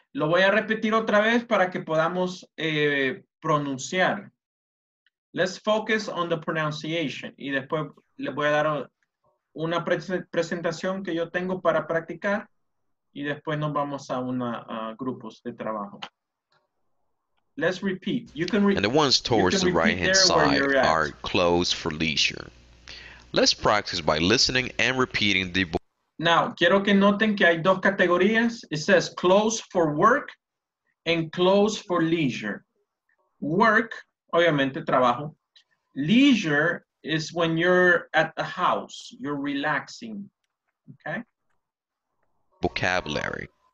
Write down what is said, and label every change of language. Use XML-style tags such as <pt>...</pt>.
<es>Lo voy a repetir otra vez para que podamos pronunciar.</es> <en>Let's focus on the pronunciation.</en> <es>Y después le voy a dar una presentación que yo tengo para practicar. Y después nos vamos a una grupos de trabajo.</es> <en>Let's repeat. You can And the ones towards the right-hand side are clothes for leisure. Let's practice by listening and repeating the</en> <es>Now, quiero que noten que hay dos categorías.</es> <en>It says clothes for work and clothes for leisure. Work,</en> <es>obviamente, trabajo.</es> <en>Leisure is when you're at the house. You're relaxing. Okay? Vocabulary.</en>